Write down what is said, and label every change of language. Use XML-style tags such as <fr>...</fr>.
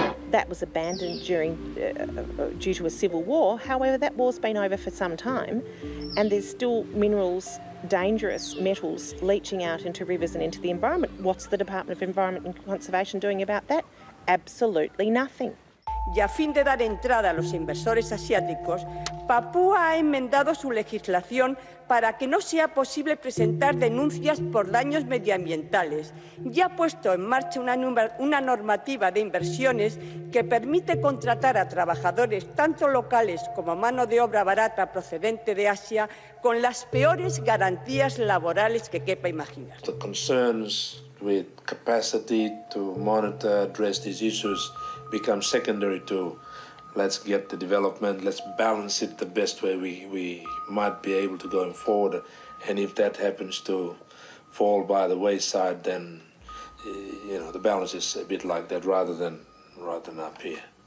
<en>That was abandoned during due to a civil war. However, that war's been over for some time, and there's still minerals, dangerous metals, leaching out into rivers and into the environment. What's the Department of Environment and Conservation doing about that? Absolutely nothing.</en> <es>Y a fin de dar entrada a los inversores asiáticos, Papúa ha enmendado su legislación para que no sea posible presentar denuncias por daños medioambientales y ha puesto en marcha una normativa de inversiones que permite contratar a trabajadores tanto locales como mano de obra barata procedente de Asia con las peores garantías laborales que quepa imaginar.</es> <en>The concerns with capacity to monitor, address these issues become secondary to let's get the development, let's balance it the best way we might be able to going forward. And if that happens to fall by the wayside, then, you know, the balance is a bit like that rather than up here.</en>